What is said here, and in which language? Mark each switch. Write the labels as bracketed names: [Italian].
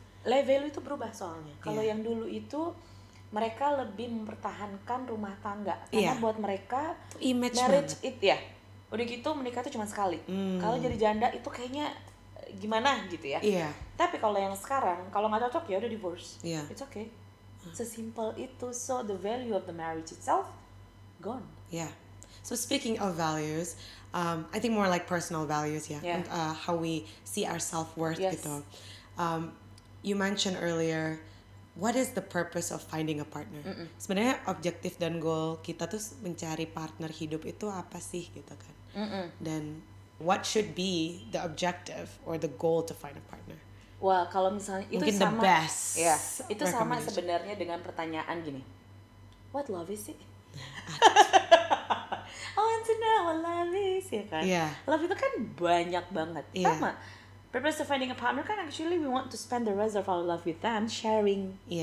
[Indonesian] Level itu berubah soalnya. Kalau yang dulu itu mereka lebih mempertahankan rumah tangga. Karena buat mereka [English] image [Indonesian] marriage itu ya. Udah gitu menikah itu cuma sekali. Kalau jadi janda itu kayaknya gimana gitu ya. Tapi kalau yang sekarang, kalau nggak cocok ya udah divorce. [English] It's okay. [Indonesian] Sesimpel itu. [English] So the value of the marriage itself gone. So speaking of values, I think more like personal values ya. And how we see our self-worth gitu. You mentioned earlier, what is the purpose of finding a partner? [Indonesian] Sebenarnya objektif dan goal kita tuh mencari partner hidup itu apa sih gitu kan? [English] Dan what should be the objective or the goal to find a partner? [Indonesian] Wah, kalau misalnya itu mungkin sama, [English] the best. [Indonesian] Itu sama sebenarnya dengan pertanyaan gini. [English] What love is it? I want to know what love is, [Indonesian] ya kan? [English] Love [Indonesian] itu kan banyak banget. Sama. [English] Purpose of finding a partner kan actually we want to spend the rest of our life with them, sharing.